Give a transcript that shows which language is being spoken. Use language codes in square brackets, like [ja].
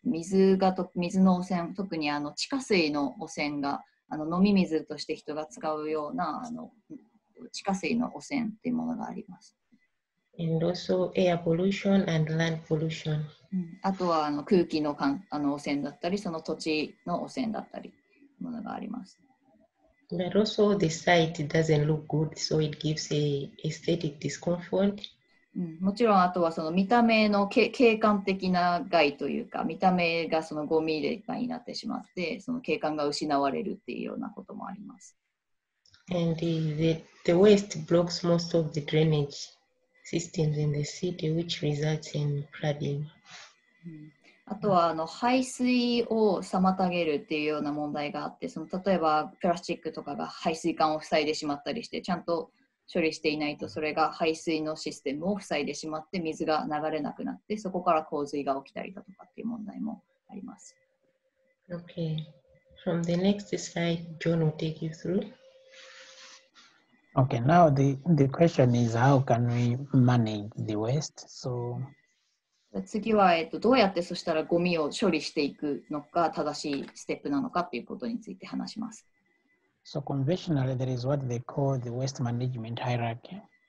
[ja] 水の汚染、特に地下水の汚染が飲み水として人が使うような地下水の汚染というものがあります。 [en] And also air pollution and land pollution. [ja] あとは空気の汚染だったり、その土地の汚染だったりというものがあります。 [en] But also the site doesn't look good, so it gives a aesthetic discomfort. [ja] もちろん、あとはその見た目の景観的な害というか、見た目がそのゴミで害になってしまって、その景観が失われるっていうようなこともあります。 [en] And the waste blocks most of the drainage systems in the city, which results in flooding. [ja] あとは排水を妨げるっていうような問題があって、その例えばプラスチックとかが排水管を塞いでしまったりして、ちゃんと処理していないとそれが排水のシステムを塞いでしまって水が流れなくなって、そこから洪水が起きたりだとかっていう問題もあります。 [en] Okay, from the next slide, John will take you through. Okay, now the question is how can we manage the waste? So... [ja] 次は、どうやってそしたらゴミを処理していくのか、正しいステップなのかということについて話します。 [en] So conventionally, there is what they call the waste management hierarchy.